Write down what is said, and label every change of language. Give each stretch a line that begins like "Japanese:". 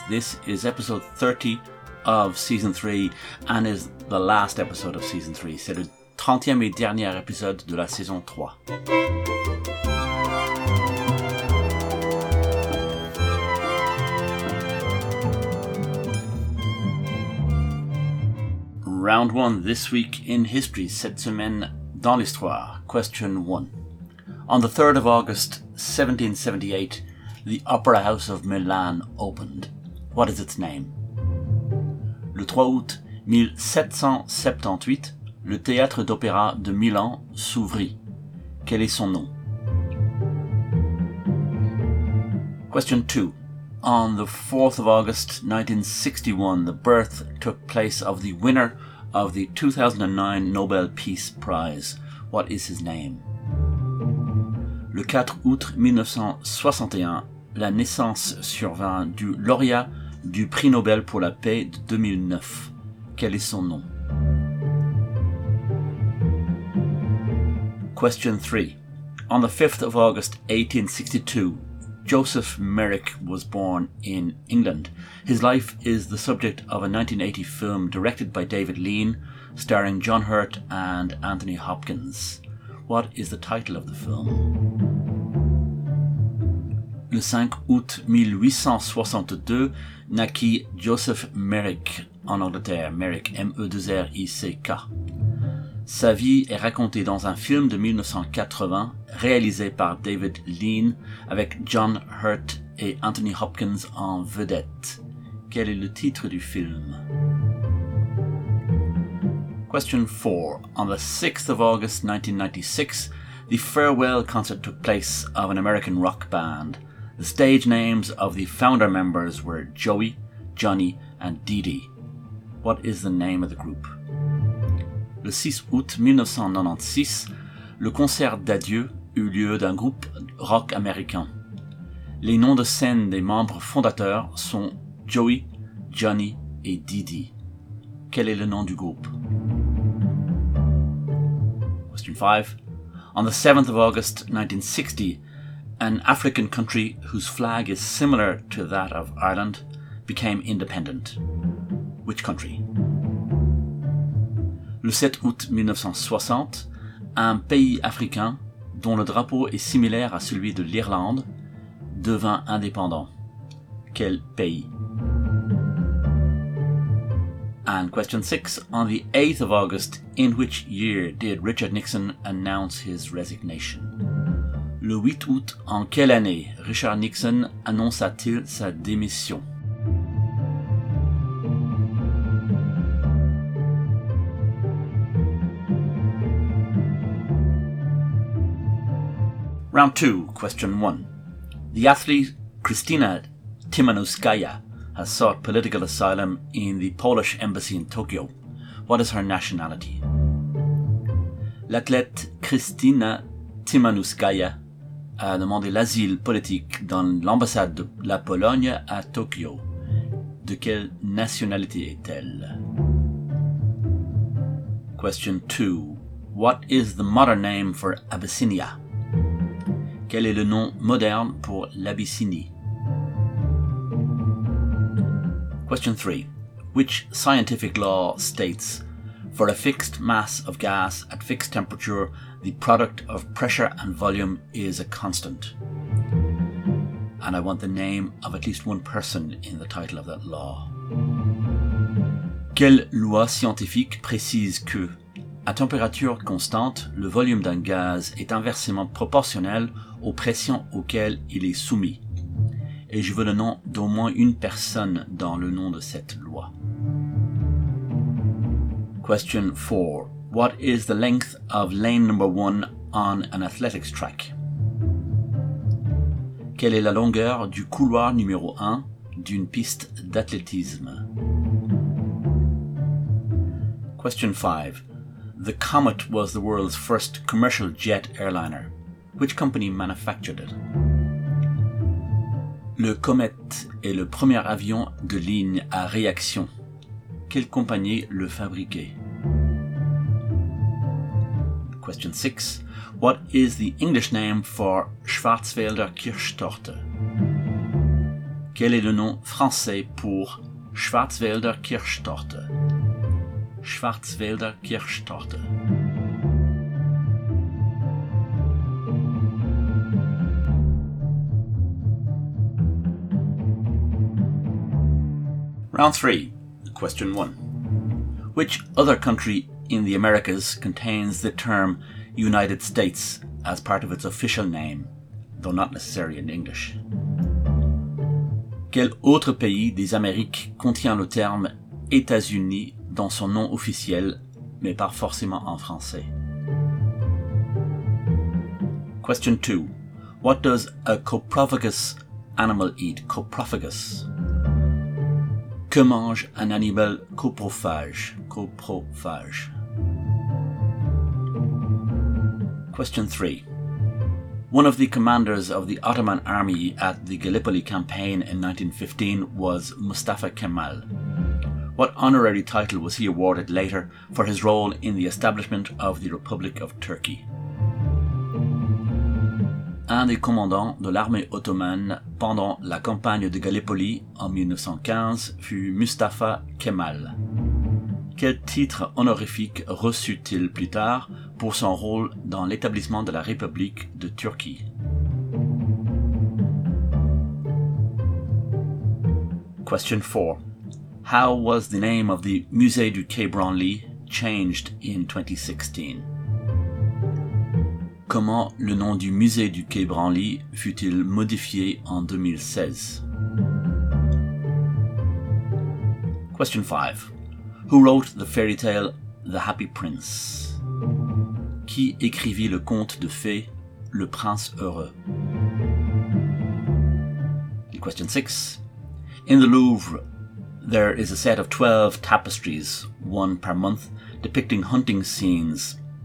English: This is episode 30 of season 3 and is the last episode of season 3.
French: C'est le 30e et dernier épisode de la saison 3.
English: Round 1 this week in history,
French: cette semaine dans l'histoire.
English: Question 1. On the 3rd of August 1778, the Opera House of Milan opened. What is its name?
French: Le 3 août 1778, le Théâtre d'Opéra de Milan s'ouvrit. Quel est son nom?
English: Question 2. On the 4th of August 1961, the birth took place of the winner of the 2009 Nobel Peace Prize. What is his name?
French: Le 4 août 1961, la naissance survint du lauréat du prix Nobel pour la paix de 2009. Quel est son nom? Question 3.
English: On the 5th of August 1862, Joseph Merrick was born in England. His life is the subject of a 1980 film directed by David Lean, starring John Hurt and Anthony Hopkins. What is the title of the film?
French: Le 5 août 1862, naquit Joseph Merrick en Angleterre, Merrick, M-E-2-R-I-C-K. Sa vie est racontée dans un film de 1980, réalisé par David Lean, avec John Hurt et Anthony Hopkins en vedette. Quel est le titre du film?
English: Question 4. On the 6th of August 1996, the farewell concert took place of an American rock band. The stage names of the founder members were Joey, Johnny and Dee Dee. What is the name of the group?
French: Le 6 août 1996, le concert d'adieu eut lieu d'un groupe rock américain. Les noms de scène des membres fondateurs sont Joey, Johnny et Dee Dee. Quel est le nom du groupe?
English: Question 5. On the 7th of August 1960, an African country whose flag is similar to that of Ireland became independent. Which country?
French: Le 7 août 1960, un pays africain dont le drapeau est similaire à celui de l'Irlande devint indépendant. Quel pays?
English: And question 6. On the 8th of August, in which year did Richard Nixon announce his resignation?
French: Le 8 août, en quelle année Richard Nixon annonça-t-il sa démission?
English: Round 2, question 1. The athlete Kristina Tymanowskaya has sought political asylum in the Polish embassy in Tokyo. What is her nationality?
French: L'athlète Kristina Tymanowskaya a demandé l'asile politique dans l'ambassade de la Pologne à Tokyo. De quelle nationalité est-elle?
English: Question 2. What is the modern name for Abyssinia?
French: Quel est le nom moderne pour l'Abyssinie?
English: Question 3. Which scientific law states, for a fixed mass of gas at fixed temperature, the product of pressure and volume is a constant? And I want the name of at least one person in the title of that law.
French: Quelle loi scientifique précise que, à température constante, le volume d'un gaz est inversement proportionnel aux pressions auxquelles il est soumis? Et je veux le nom d'au moins une personne dans le nom de cette loi.
English: Question 4. What is the length of lane number 1 on an athletics track?
French: Quelle est la longueur du couloir numéro 1 d'une piste d'athlétisme?
English: Question 5. The Comet was the world's first commercial jet airliner. Which company manufactured it?
French: Le Comet est le premier avion de ligne à réaction. Quelle compagnie le fabriquait?
English: Question 6. What is the English name for Schwarzwälder Kirschtorte?
French: Quel est le nom français pour Schwarzwälder Kirschtorte?
German: Schwarzwälder Kirschtorte.
English: Round 3, question 1. Which other country in the Americas contains the term United States as part of its official name, though not necessarily in English?
French: Quel autre pays des Amériques contient le terme États-Unis dans son nom officiel, mais pas forcément en français?
English: Question 2. What does a coprophagous animal eat?
French: Coprophagous. Que mange un animal coprophage? Coprophage.
English: Question 3. One of the commanders of the Ottoman army at the Gallipoli campaign in 1915 was Mustafa Kemal. What honorary title was he awarded later for his role in the establishment of the Republic of Turkey?
French: Un des commandants de l'armée ottomane pendant la campagne de Gallipoli en 1915 fut Mustafa Kemal. Quel titre honorifique reçut-il plus tard pour son rôle dans l'établissement de la République de Turquie?
English: Question 4. How was the name of the Musée du Quai Branly changed in 2016?
French: Comment le nom du Musée du Quai Branly fut-il modifié en 2016?
English: Question 5. Who wrote the fairy tale The Happy Prince?
French: Qui écrivit le conte de fées Le Prince Heureux?
English: And question 6. In the Louvre, there is a set of 12 tapestries, one per month, depicting hunting scenes.